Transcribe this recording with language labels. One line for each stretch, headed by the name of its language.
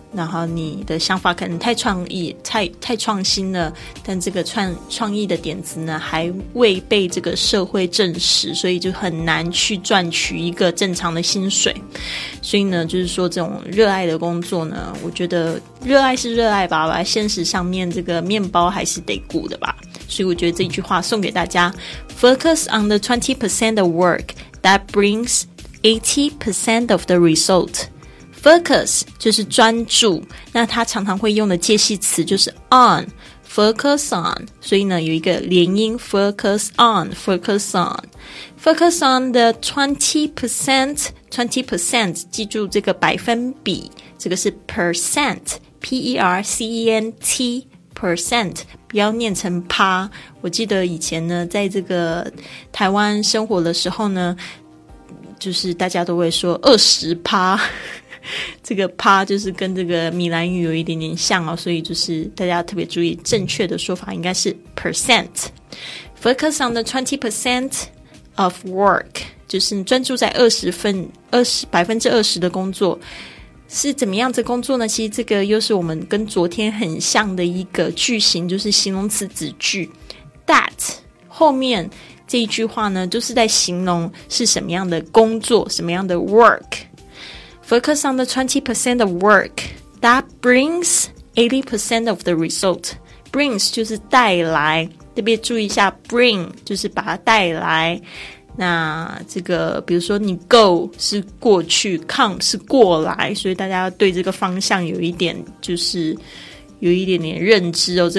Chinese: 然后你的想法可能太创意 太创新了，但这个 创意的点子呢还未被这个社会证实，所以就很难去赚取一个正常的薪水。所以呢就是说这种热爱的工作呢，我觉得热爱是热爱吧，现实上面这个面包还是得顾的吧。所以我觉得这句话送给大家，
English: Focus on the 20% of work that brings 80% of the result。
Chinese: Focus 就是专注，那他常常会用的介系词就是 on，
English: focus on， 所以呢有一个连音 focus on， focus on， focus on the 20%，
Chinese: 20% 记住这个百分比，这个是 percent， P-E-R-C-E-N-T percent， 不要念成趴。我记得以前呢在这个台湾生活的时候呢，就是大家都会说20%，这个趴就是跟这个米兰语有一点点像哦，所以就是大家特别注意，正确的说法应该是 percent。
English: Focus on the 20% of work，
Chinese: 就是专注在20%的工作是怎么样的工作呢？其实这个又是我们跟昨天很像的一个句型，就是形容词子句 that 后面这一句话呢，就是在形容是什么样的工作，什么样的 work。
English: Focus on the 20% of work that brings 80% of the result.
Chinese: Brings 就是带来，特别注意一下 bring 就是把它带来。那这个比如说你 go 是过去， come 是过来，所以大家对这个方向有一点就是有一点点认知哦。